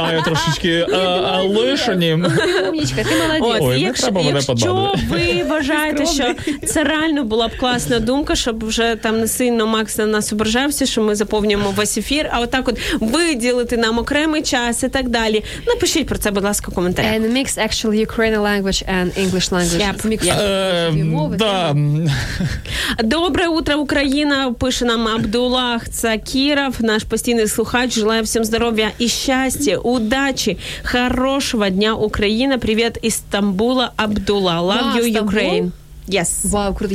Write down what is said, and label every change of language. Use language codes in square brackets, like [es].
[uk] Маю трошечки лишенім. Умнічка, ти молодець. Ой, якщо ви вважаєте, що це реально була б класна думка, щоб вже там не сильно Макс на нас ображався, що ми заповнюємо весь ефір, а отак от виділити нам окремий час і так далі. Напишіть про це, будь ласка, в коментарях. [en] And mix actually Ukrainian language and English language. Yep. Mix. [uk] Да. Добре утро, Україна, пише нам Абдуллах Цакіров, наш постійний слухач. Желаю всім здоров'я і щастя. Удачі, хорошого дня, Україна. Привіт із Стамбула, Абдулла. [en] Love you, Ukraine. Yes. [uk] Вау, круто.